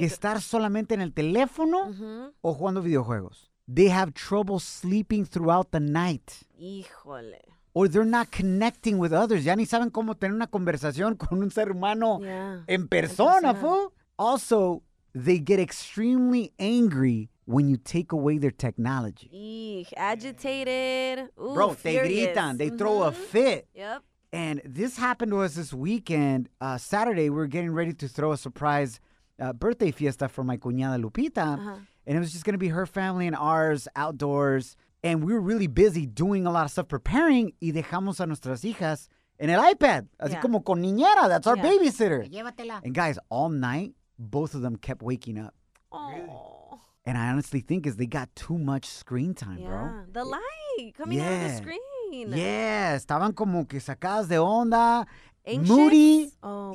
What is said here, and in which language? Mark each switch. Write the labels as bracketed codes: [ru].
[es] Estar solamente en el teléfono o jugando videojuegos. [en] They have trouble sleeping throughout the night. [es] Híjole. [en] Or they're not connecting with others. [es] Ya ni saben cómo tener una conversación con un ser humano en persona, fool. [en] Also, they get extremely angry when you take away their technology. Eek, agitated. Ooh, bro, furious. They gritan. They throw a fit. Yep. And this happened to us this weekend. Saturday, we were getting ready to throw a surprise birthday fiesta for my cuñada Lupita. And it was just going to be her family and ours outdoors. And we were really busy doing a lot of stuff preparing. [es] Y dejamos a nuestras hijas en el iPad. Así como con niñera. [en] That's our babysitter. [es] Llévatela. [en] And guys, all night, both of them kept waking up. Aww. And I honestly think is they got too much screen time, bro. The light coming out of the screen. mean? [es] Yeah, estaban como que sacadas de onda. Moody, oh,